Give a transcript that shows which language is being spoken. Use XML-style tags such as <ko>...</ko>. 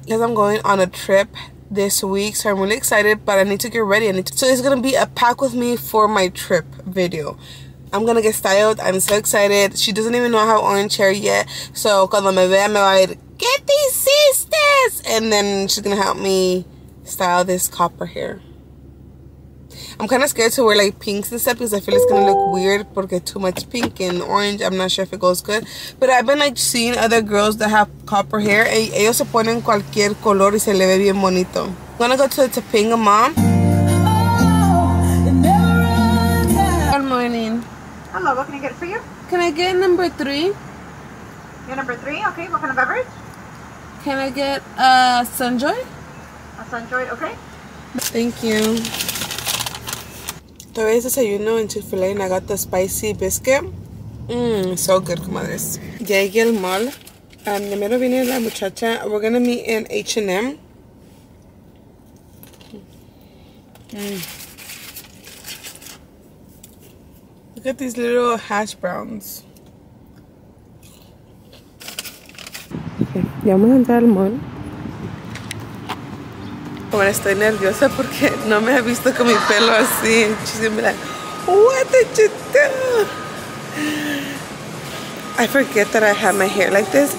<en>Because I'm going on a trip this week, so I'm really excited, but I need to get ready. So it's going to be a pack with me for my trip video. I'm going to get styled. I'm so excited. She doesn't even know I have orange hair yet.</en> <es>So cuando me vea, me va a ir, ¿qué te hiciste?</es> <en>And then she's going to help me style this copper hair. I'm kind of scared to wear like pinks and stuff because I feel it's gonna look weird because too much pink and orange. I'm not sure if it goes good. But I've been like seeing other girls that have copper hair.</en> <es>Y ellos se ponen cualquier color y se le ve bien bonito.</es> <en>I'm gonna go to the Topanga Mall. Oh, never run. Good morning. Hello, what can I get for you? Can I get number 3? You're number 3? Okay, what kind of beverage? Can I get a Sunjoy? A Sunjoy, okay. Thank you.</en> <es>Todavía es desayuno en Chick-fil-A y Nagata Spicy Biscuit.</es> <en>So good,</en> <es>comadres. Ya llegué al mall. Primero viene la muchacha.</es> <en>We're gonna meet in H&M. Look at these little hash browns.</en> <es>Okay, ya vamos a entrar al mall. Ahora estoy nerviosa porque no me ha visto con mi pelo así.</es> <en>She's gonna be like, what did you do? I forget that I have my hair like this.</en>